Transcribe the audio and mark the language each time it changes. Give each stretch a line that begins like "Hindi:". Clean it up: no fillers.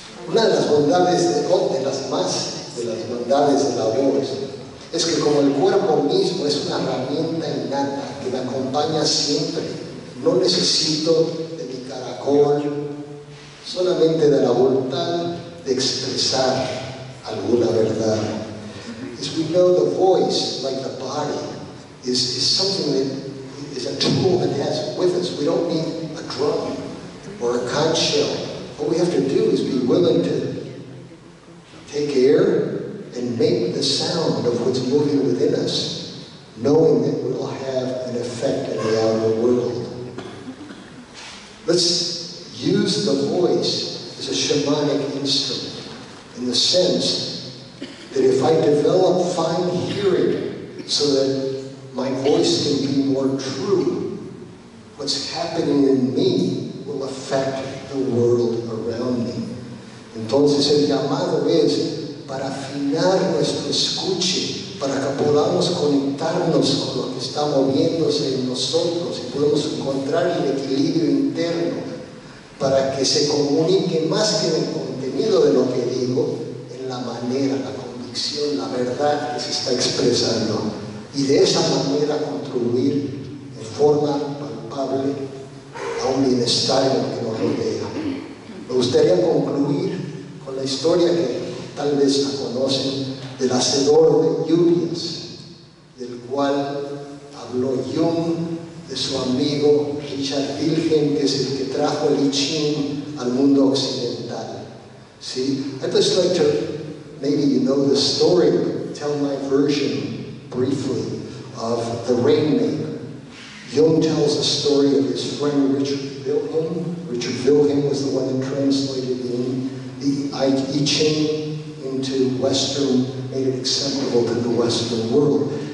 Spanish: Una de las bondades de las bondades de la voz es que como el cuerpo mismo es una herramienta innata que me acompaña siempre, no necesito de mi caracol, solamente de la voluntad de expresar alguna verdad.
English: As we know, the voice, like the body, is something that is a tool that has with us. We don't need a drum or a conch shell. What we have to do is be willing to take air and make the sound of what's moving within us, knowing that we'll have an effect in the outer world. Let's use the voice as a shamanic instrument in the sense that if I develop fine hearing so that my voice can be more true, what's happening in me will affect the world around me.
Spanish: Entonces el llamado es para afinar nuestro escuche, para que podamos conectarnos con lo que está moviéndose en nosotros y podemos encontrar el equilibrio interno para que se comunique más que en el contenido de lo que digo, en la manera, la convicción, la verdad que se está expresando. Y de esa manera contribuir en forma palpable bienestar y lo que nos rodea. Me gustaría concluir con la historia que tal vez la conocen, del hacedor de lluvias, del cual habló Jung, de su amigo Richard Wilhelm, que es el que trajo el I Ching al mundo occidental.
English: See, I'd just like to, maybe you know the story, tell my version briefly of the Rainmaker. Jung tells the story of his friend Richard Wilhelm. Richard Wilhelm was the one who translated the I Ching into Western, made it acceptable to the Western world.